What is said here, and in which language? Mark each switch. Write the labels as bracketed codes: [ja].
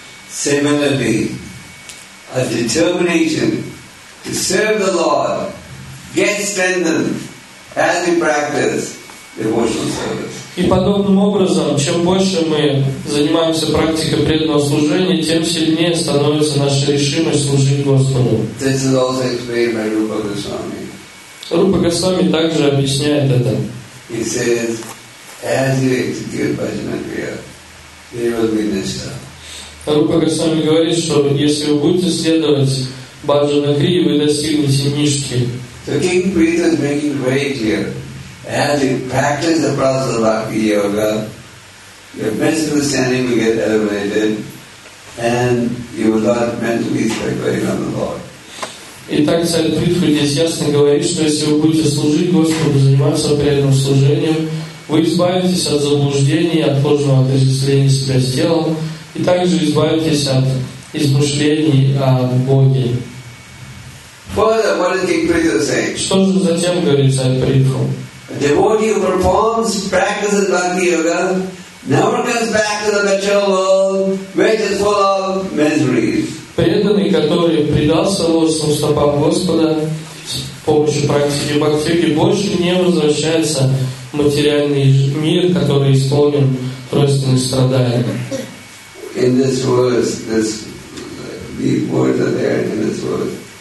[en] Similarly, a determination to serve the Lord gets strengthened as we practice devotional service. [ru] И подобным образом, чем больше мы занимаемся практикой преданного служения, тем сильнее становится наша решимость служить Господу. [en] This is also explained by Rupa Goswami. [ru] Рупа Госвами также объясняет это. [en] He says, as you execute bhajana kriya, there will be nishtha. [ru] Рупа Госвами говорит, что если вы будете следовать бхаджана крии, вы достигнете ништхи. [en] So King Prithvi is making very clear. As you practice the process of bhakti yoga, your misunderstanding will get elevated and you will not mentally speculate on the Lord. [ru] Итак, царь Притху здесь ясно говорит, что если вы будете служить Господу, заниматься преданным служением, вы избавитесь от заблуждений, от ложного отождествления себя с телом, и также избавитесь от измышлений о Боге. [en] Further, what is King Prithvi saying? [ru] Что же затем говорит царь Притху? [en] A devotee who performs, practices bhakti yoga, never comes back to the material world, which is full of miseries. [ru] Преданный, который предался ложным стопам Господа с помощью практики бхакти йоги, больше не возвращается в материальный мир, который исполнен тройственных страданий. [en] In this verse, this words are there in this verse.